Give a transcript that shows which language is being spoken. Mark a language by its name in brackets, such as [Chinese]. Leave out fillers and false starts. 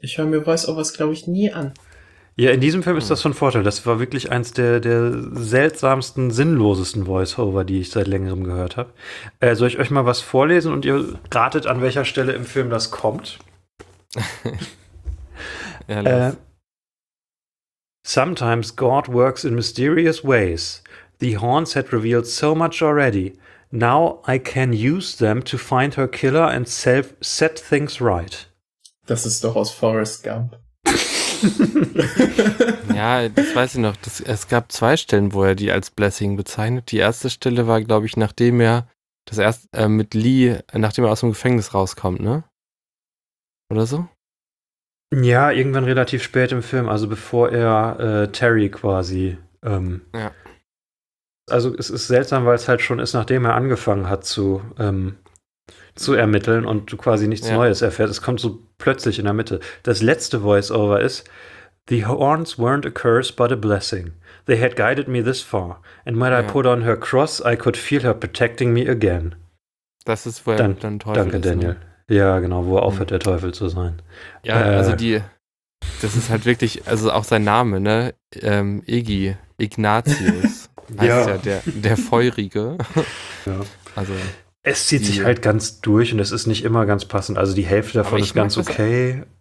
[German] Ich höre mir Voice-Overs, glaube ich, nie an. Ja, in diesem Film ist das von Vorteil. Das war wirklich eins der seltsamsten, sinnlosesten Voice-Over, die ich seit längerem gehört habe. Soll ich euch mal was vorlesen und ihr ratet, an welcher Stelle im Film das kommt? Ja, [English] sometimes God works in mysterious ways. The horns had revealed so much already. Now I can use them to find her killer and set things right. [German] Das ist doch aus Forrest Gump. Ja, das weiß ich noch. Es gab zwei Stellen, wo er die als Blessing bezeichnet. Die erste Stelle war, glaube ich, nachdem er aus dem Gefängnis rauskommt, ne? Oder so? Ja, irgendwann relativ spät im Film, also bevor er Terry quasi. Ja. Also es ist seltsam, weil es halt schon ist, nachdem er angefangen hat zu ermitteln und du quasi nichts Neues erfährst. Es kommt so plötzlich in der Mitte. Das letzte Voice-Over ist, [English] the horns weren't a curse, but a blessing. They had guided me this far. And when I put on her cross, I could feel her protecting me again. [German] Das ist, wo er dann Teufel ist. Danke, Daniel. Ne? Ja, genau, wo er aufhört, der Teufel zu sein. Ja, also das ist halt wirklich, also auch sein Name, ne? Iggy, Ignatius. Heißt ja der Feurige. Ja. Also, es zieht sich halt ganz durch und es ist nicht immer ganz passend. Also die Hälfte davon ist ganz okay.